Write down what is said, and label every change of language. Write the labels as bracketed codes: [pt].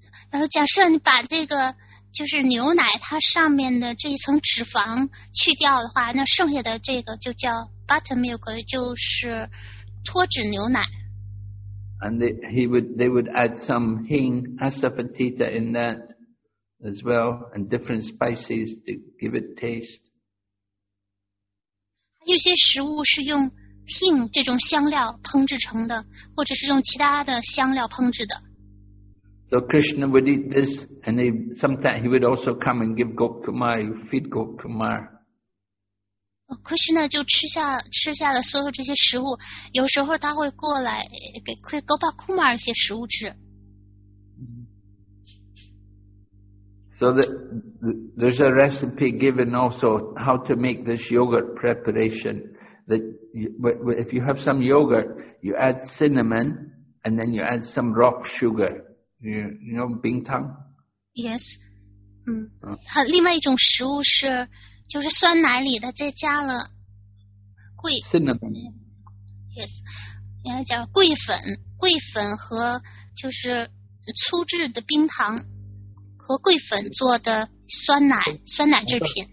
[zh] 然后假设你把这个就是牛奶它上面的这一层脂肪去掉的话，那剩下的这个就叫 buttermilk， 就是脱脂牛奶。 [en] And they would add some hing asafoetida in that as well, and different spices to give it taste. [zh] 有些食物是用 hing 这种香料烹制成的，或者是用其他的香料烹制的。 [en] So Krishna would eat this, and sometimes he would also come and give Gop Kumar, feed Gop Kumar. [zh] Krishna 就吃下了所有这些食物，有时候他会过来给 Gop Kumar 一些食物吃。 [en] So there's a recipe given also how to make this yogurt preparation. That if you have some yogurt, you add cinnamon, and then you add some rock sugar. You know, 冰汤 Yes. [zh] 另外一种食物是就是酸奶里的再加了桂 [en] Cinnamon. Yes. [zh] 应该叫桂粉和就是粗制的冰糖和桂粉做的酸奶、 [en] yes. [zh] 酸奶制品